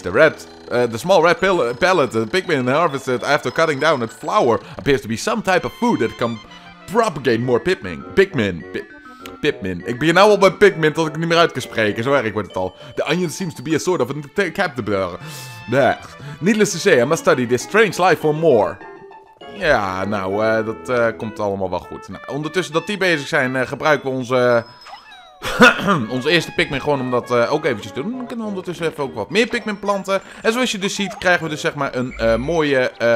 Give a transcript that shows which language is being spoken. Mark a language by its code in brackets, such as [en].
[en] The small red pellet the Pikmin harvested after cutting down its flower appears to be some type of food that can propagate more Pikmin. Pikmin. [nl] Ik begin nou al bij Pikmin tot ik niet meer uit kan spreken. Zo erg wordt het al. [en] The onion seems to be a sort of a captor. Needless to say, I must study this strange life for more. [nl] Ja, nou, dat komt allemaal wel goed. Nou, ondertussen dat die bezig zijn, gebruiken we onze, onze eerste Pikmin gewoon om dat ook eventjes te doen. Dan kunnen we ondertussen even ook wat meer Pikmin planten. En zoals je dus ziet, krijgen we dus zeg maar een mooie...